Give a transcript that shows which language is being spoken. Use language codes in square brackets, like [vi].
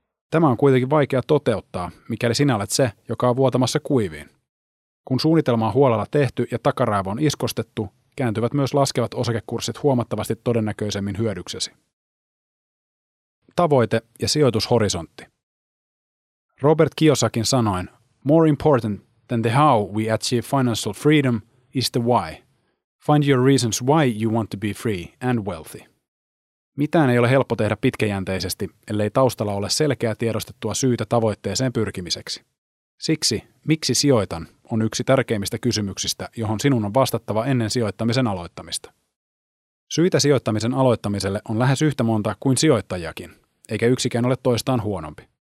[fi] Tämä on kuitenkin vaikea toteuttaa, mikäli sinä olet se, joka on vuotamassa kuiviin. Kun suunnitelma on huolella tehty ja takaraivo on iskostettu, kääntyvät myös laskevat osakekurssit huomattavasti todennäköisemmin hyödyksesi. Tavoite ja sijoitushorisontti. Robert Kiyosakin sanoin, [en] "More important than the how we achieve financial freedom is the why. Find your reasons why you want to be free and wealthy." [fi] Mitään ei ole helppo tehdä pitkäjänteisesti, ellei taustalla ole selkeää tiedostettua syytä tavoitteeseen pyrkimiseksi. Siksi, miksi sijoitan, on yksi tärkeimmistä kysymyksistä, johon sinun on vastattava ennen sijoittamisen aloittamista. Syitä sijoittamisen aloittamiselle on lähes yhtä monta kuin sijoittajakin, eikä yksikään ole toistaan huonompi.